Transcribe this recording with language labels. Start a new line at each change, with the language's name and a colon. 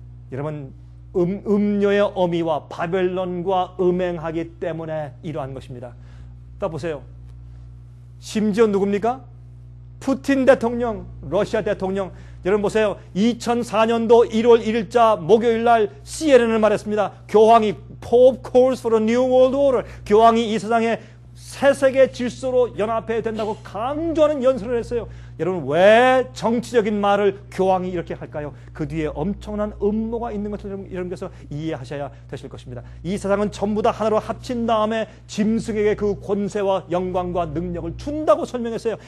Korean: 여러분 음료의 어미와 바벨론과 음행하기 때문에 이러한 것입니다. 또 보세요. 심지어 누굽니까? 푸틴 대통령, 러시아 대통령. 여러분 보세요. 2004년도 1월 1일자 목요일날 CNN을 말했습니다. 교황이
English: Pope calls for a new world order.
Korean: 교황이 이 세상에 새 세계 질서로 연합해야 된다고 강조하는 연설을 했어요. 여러분 왜 정치적인 말을 교황이 이렇게 할까요? 그 뒤에 엄청난 음모가 있는 것을 여러분께서 이해하셔야 되실 것입니다. 이 세상은 전부 다 하나로 합친 다음에 짐승에게 그 권세와 영광과 능력을 준다고 설명했어요.